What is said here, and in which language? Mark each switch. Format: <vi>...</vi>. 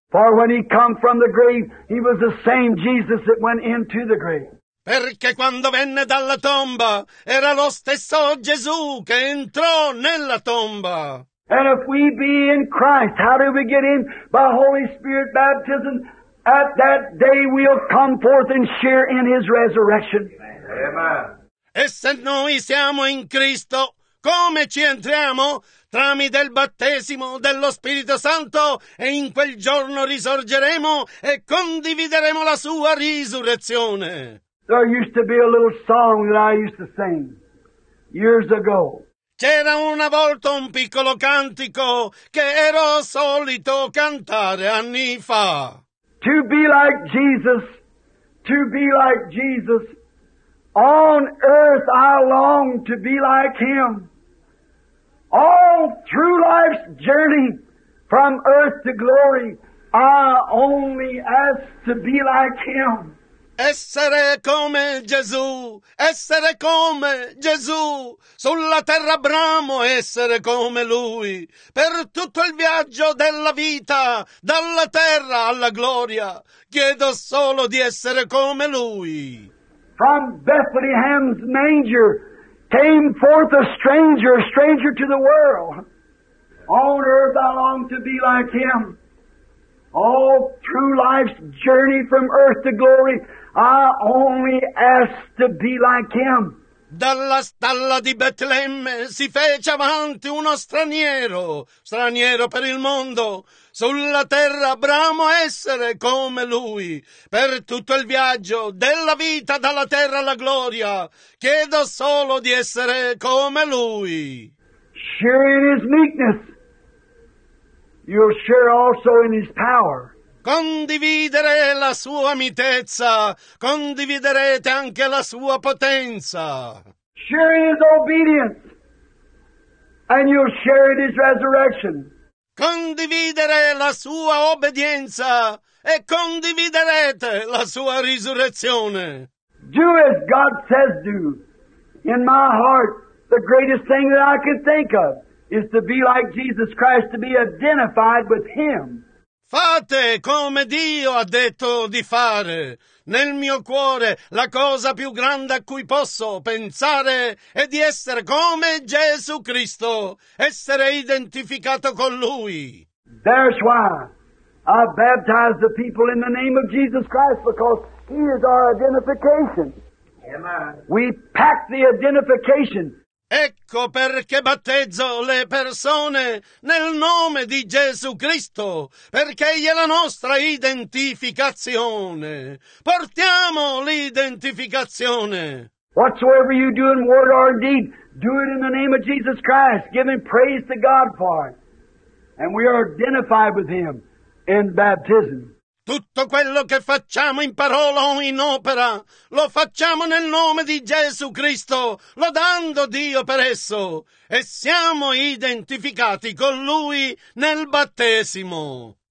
<en>For when he came from the grave, he was the same Jesus that went into the grave.</en> <it>Perché quando venne dalla tomba, era lo stesso Gesù che entrò nella tomba.</it> <en>And if we be in Christ, how do we get in? By Holy Spirit baptism. At that day we'll come forth and share in His resurrection. Amen.</en> <it>E se noi siamo in Cristo, come ci entriamo? Tramite il battesimo dello Spirito Santo, e in quel giorno risorgeremo e condivideremo la sua risurrezione.</it> <en>There used to be a little song that I used to sing years ago.</en> <it>C'era una volta un piccolo cantico che ero solito cantare anni fa.</it> <en>To be like Jesus, to be like Jesus. On earth I long to be like Him. All through life's journey, from earth to glory, I only ask to be like Him.</en> <it>Essere come Gesù, essere come Gesù. Sulla terra bramo essere come Lui. Per tutto il viaggio della vita, dalla terra alla gloria, chiedo solo di essere come Lui.</it> <en>From Bethlehem's manger came forth a stranger to the world. On earth I long to be like Him. All through life's journey from earth to glory, I only ask to be like Him.</en> <it>Dalla stalla di Betlemme si fece avanti uno straniero, straniero per il mondo. Sulla terra bramo essere come Lui. Per tutto il viaggio della vita dalla terra alla gloria, chiedo solo di essere come Lui.</it> <en>Share in His meekness. You'll share also in His power.</en> <it>Condividere la sua mitezza, condividerete anche la sua potenza.</it> <en>Share His obedience, and you'll share in His resurrection.</en> <it>Condividere la sua obbedienza, e condividerete la sua risurrezione.</it> <en>Do as God says do. In my heart, the greatest thing that I can think of is to be like Jesus Christ, to be identified with Him.</en> <it>Fate come Dio ha detto di fare. Nel mio cuore la cosa più grande a cui posso pensare è di essere come Gesù Cristo, essere identificato con Lui.</it> <en>That's why I baptize the people in the name of Jesus Christ, because He is our identification. Amen. We pack the identification.</en> <it>Ecco perché battezzo le persone nel nome di Gesù Cristo, perché egli è la nostra identificazione. Portiamo l'identificazione.</it> <en>Whatsoever you do in word or in deed, do it in the name of Jesus Christ, giving praise to God for it. And we are identified with Him in baptism.</en> <it>Tutto quello che facciamo in parola o in opera, lo facciamo nel nome di Gesù Cristo, lodando Dio per esso, e siamo identificati con Lui nel battesimo.</it>